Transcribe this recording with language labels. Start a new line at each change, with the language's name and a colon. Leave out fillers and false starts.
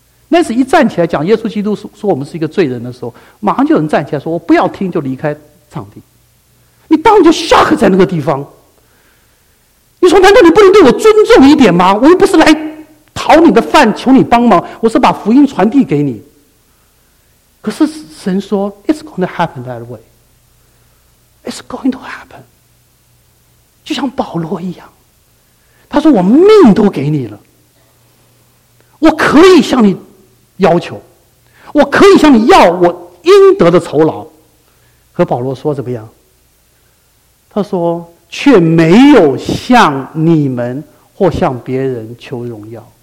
Chinese: Nancy 一站起来讲耶稣基督说我们是一个罪人的时候，马上就有人站起来说我不要听，就离开场地。你当然就 shock 在那个地方，你说难道你不能对我尊重一点吗？我又不是来讨你的饭求你帮忙，我是把福音传递给你。可是神说
English: It's going to happen that way， It's going to happen。
Chinese: 就像保罗一样，他说我命都给你了，我可以向你要求，我可以向你要我应得的酬劳。和保罗说怎么样？他说却没有向你们或向别人求荣耀。